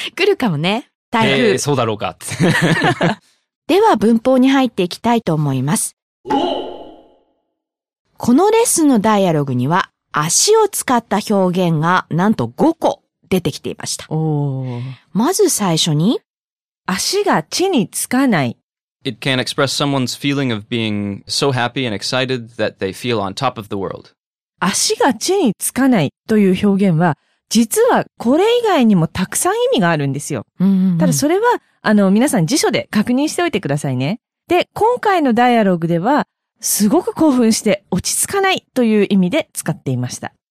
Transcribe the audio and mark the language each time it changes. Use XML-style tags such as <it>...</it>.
<ja>来るかもね。台風、そうだろうかでは文法に入っていきたいと思います。このレッスンのダイアログには足を使った表現がなんと5個出てきていました。おー。 まず最初に足が地につかない。</ja> <en>It can express someone's feeling of being so happy and excited that they feel on top of the world.</en> <ja>足が地につかないという表現は実はこれ以外にもたくさん意味があるんですよ。うんうんうん、ただそれは皆さん辞書で確認しておいてくださいね。で、今回のダイアログではすごく興奮して落ち着かないという意味で使っていました。</ja>